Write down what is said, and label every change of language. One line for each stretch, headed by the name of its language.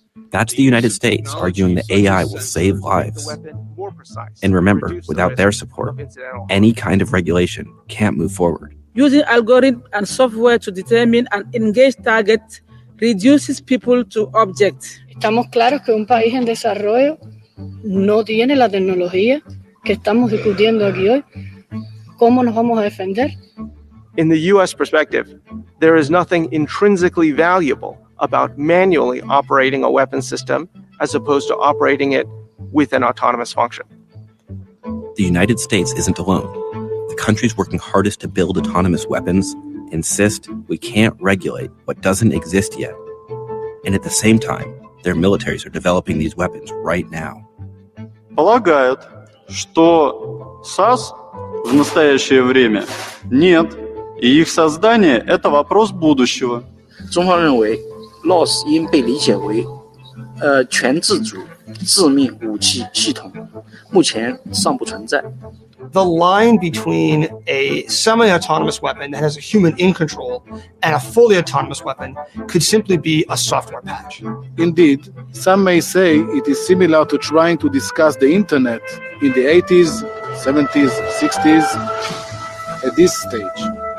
English: That's the United States arguing that AI will save lives. And remember, without their support, any kind of regulation can't move forward. Using algorithms and software to determine an engaged target reduces people to objects.
Spanish: Estamos claros que un país en desarrollo no tiene la tecnología que estamos discutiendo aquí hoy. ¿Cómo nos vamos a defender?
English: In the U.S. perspective, there is nothing intrinsically valuable about manually operating a weapon system as opposed to operating it with an autonomous function. The United States isn't alone. The countries working hardest to build autonomous weapons insist we can't regulate what doesn't exist yet. And at the same time, their militaries are developing these weapons right now.
Russian: Полагают, что САС в настоящее время нет, и их создание – это вопрос будущего.
Chinese: 中华认为, LOS 应被理解为, 全自主, 致命武器系统, 目前尚不存在。
English: The line between a semi-autonomous weapon that has a human in control and a fully autonomous weapon could simply be a software patch. Indeed, some may say it is similar to trying to discuss the internet in the 80s, 70s, 60s at this stage.